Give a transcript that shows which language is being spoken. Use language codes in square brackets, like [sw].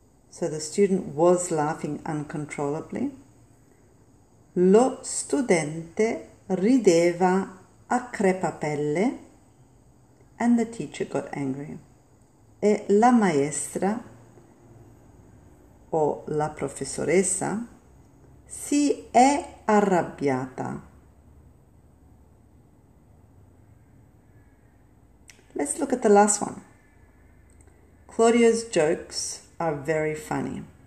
[en] So the student was laughing uncontrollably. [it] Lo studente rideva a crepapelle [en] and the teacher got angry. [it] E la maestra o la professoressa si è arrabbiata. [en] Let's look at the last one. Claudio's jokes are very funny.